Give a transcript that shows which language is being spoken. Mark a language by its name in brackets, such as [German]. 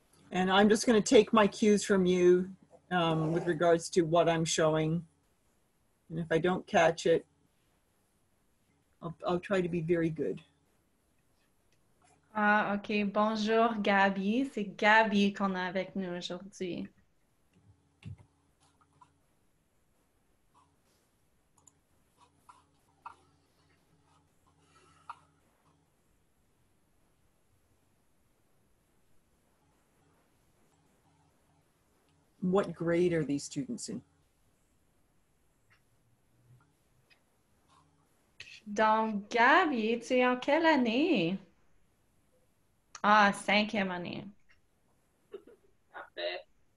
[English] And I'm just going to take my cues from you with regards to what I'm showing. And if I don't catch it, I'll try to be very good. [French] Ah, OK. Bonjour, Gabi. C'est Gabi qu'on a avec nous aujourd'hui. [English] What grade are these students in? [French] Donc, Gabi, tu es en quelle année? Ah, cinquième année. Parfait.